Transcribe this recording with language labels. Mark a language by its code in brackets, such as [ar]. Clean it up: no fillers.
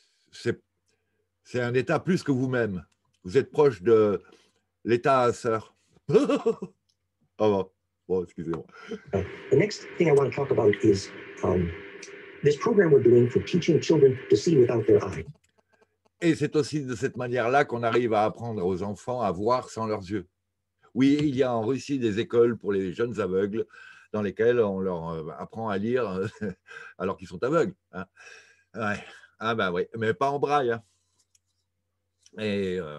[fr] C'est un état plus que vous-même. Vous êtes proche de l'état sœur. Oh, bon, excusez-moi. [en] The next thing I want to talk about is... this program we're doing for teaching children to see without their eyes. [fr] Et c'est aussi de cette manière-là qu'on arrive à apprendre aux enfants à voir sans leurs yeux. Oui, il y a en Russie des écoles pour les jeunes aveugles dans lesquelles on leur apprend à lire alors qu'ils sont aveugles. Hein. Ouais. Ah ben oui, mais pas en braille. Hein. Et